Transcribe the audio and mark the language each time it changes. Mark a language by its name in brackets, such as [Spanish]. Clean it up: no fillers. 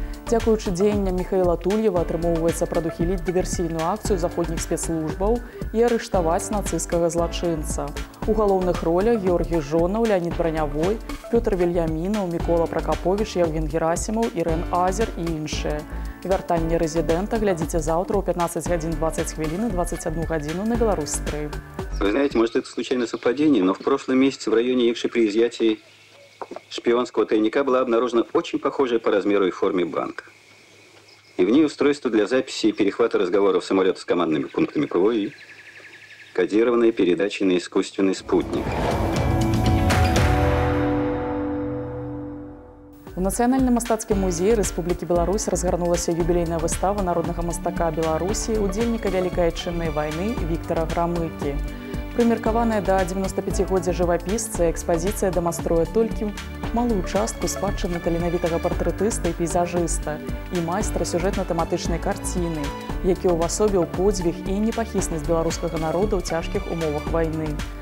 [Belarusian] Дзякуючы дзеянням Міхаіла Тульєва атрымоўваецца прадухіліць дыверсійную акцыю заходніх спецслужбаў і арыштаваць нацысцкага злачынца. У галоўных ролях Георгій Жонаў, Леонід Бранявой, Пётр Вільямінаў, Мікола Пракаповіч, Яўген Герасімаў, Ірэн Азер і іншыя. «Вяртанне рэзідэнта» глядзіце заўтра ў 15:20 і 21:00 на «Беларусь-3». [Russian] Вы знаете, может, это случайное совпадение, но в прошлом месяце в районе Икши при изъятии шпионского тайника была обнаружена очень похожая по размеру и форме банка. И в ней устройство для записи и перехвата разговоров самолета с командными пунктами ПВО и кодированная передача на искусственный спутник. [Belarusian] У Нацыянальным мастацкім музеі Рэспублікі Беларусь разгарнулася юбілейная выстава народнага мастака Беларусі, удзельніка Вялікай айчыннай вайны Віктара Грамыкі. Прымеркаваная да 95-годзя жывапісца, экспазіцыя дэманструе толькі малую частку спадчыны таленавітага партрэтыста і пейзажыста і майстра сюжэтна-тэматычнай карціны, які ўвасобіў подзвіг і непахіснасць беларускага народа ў цяжкіх умовах вайны.